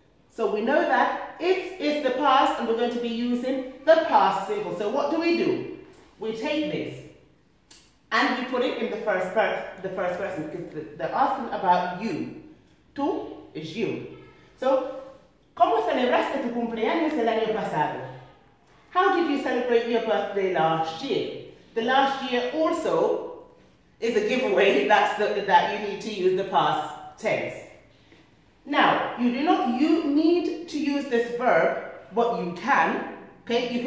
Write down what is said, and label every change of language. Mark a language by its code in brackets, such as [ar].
[en] So we know that it is the past and we're going to be using the past simple. So what do? We take this and we put it in the first person because they're asking about you. Tú is you. [es] So, ¿cómo celebraste tu cumpleaños el año pasado? [en] How did you celebrate your birthday last year? The last year also is a giveaway that you need to use the past tense. Now, you need to use this verb, but you can, okay?